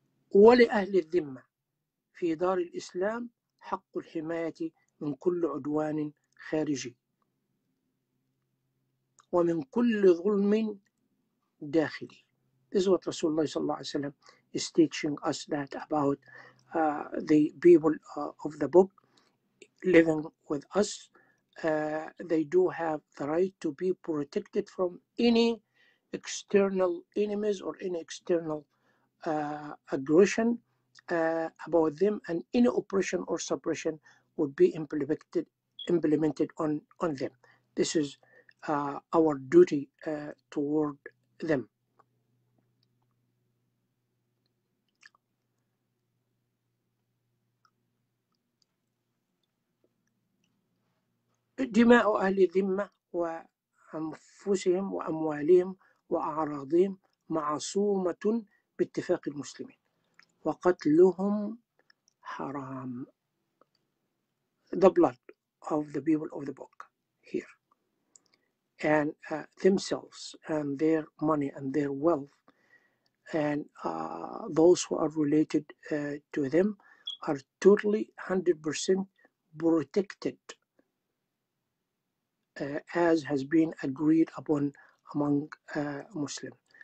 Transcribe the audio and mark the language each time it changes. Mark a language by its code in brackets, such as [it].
[ar] ولأهل الذمة في دار الإسلام حق الحماية من كل عدوان خارجي ومن كل ظلم داخلي. [en] This is what Rasulullah sallallahu alayhi wa sallam is teaching us, that about the people of the book living with us. They do have the right to be protected from any external enemies or any external aggression about them, and any oppression or suppression would be implemented on them. This is our duty toward them. [ar] دماء أهل الذمة وأنفسهم وأموالهم وأعراضهم معصومة باتفاق المسلمين وقتلهم حرام. [en] The blood of the people of the book here and themselves and their money and their wealth and those who are related to them are totally 100% protected as has been agreed upon among Muslims.